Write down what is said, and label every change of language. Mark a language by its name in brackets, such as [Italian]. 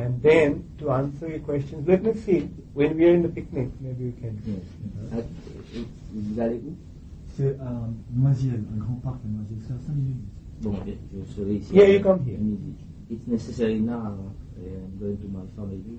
[English] And then, to answer your questions, let me see, when we are in the picnic, maybe we can. [French] Yes. Vous allez où? C'est à Noisiel, un grand parc à Noisiel, c'est à 5 minutes. Bon, je serai ici. [English] Yeah, you come here. [French] Midi. [English] It's necessary now, I'm going to my family.